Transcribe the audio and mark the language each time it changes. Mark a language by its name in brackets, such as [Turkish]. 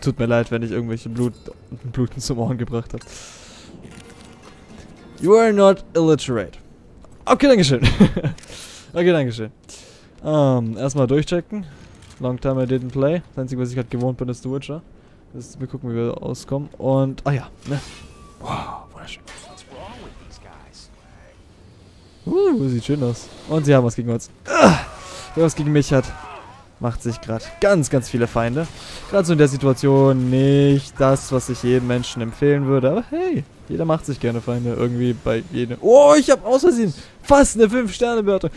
[German] Tut mir leid, wenn ich irgendwelche Bluten zum Ohren gebracht habe. [English] You are not illiterate. Okay, [German] dankeschön. Erstmal durchchecken. [English] Long time I didn't play. [German] Das Einzige, was ich gerade gewohnt bin, ist The Witcher. Das ist, wir gucken, wie wir auskommen. Und, ah ja, ne. Wow, wunderschön. [English] What's wrong with these guys? [German] Sieht schön aus. Und sie haben was gegen uns. Wer was gegen mich hat. Macht sich gerade ganz, ganz viele Feinde. Gerade so in der Situation nicht das, was ich jedem Menschen empfehlen würde. Aber hey, jeder macht sich gerne Feinde. Irgendwie bei jedem. Oh, ich habe aus Versehen fast eine 5-Sterne-Bewertung.